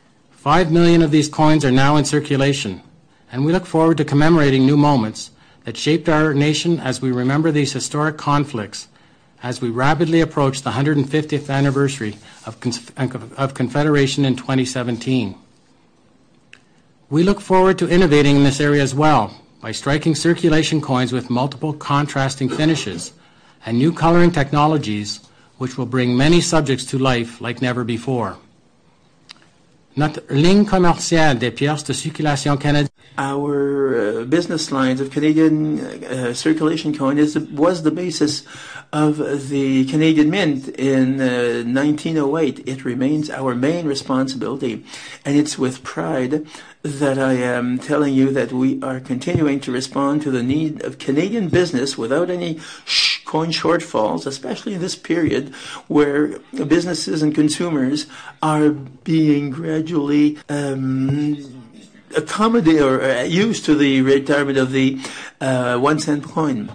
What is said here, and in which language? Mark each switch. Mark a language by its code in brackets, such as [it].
[en] 5 million of these coins are now in circulation, and we look forward to commemorating new moments that shaped our nation as we remember these historic conflicts as we rapidly approach the 150th anniversary of Confederation in 2017. We look forward to innovating in this area as well by striking circulation coins with multiple contrasting finishes and new coloring technologies, which will bring many subjects to life like never before. [fr] Notre ligne commerciale des pièces de circulation canadienne. [en] Our business lines of Canadian circulation coin was the basis of the Canadian Mint in 1908. It remains our main responsibility, and it's with pride that I am telling you that we are continuing to respond to the need of Canadian business without any coin shortfalls, especially in this period where businesses and consumers are being gradually used to the retirement of the 1 cent coin.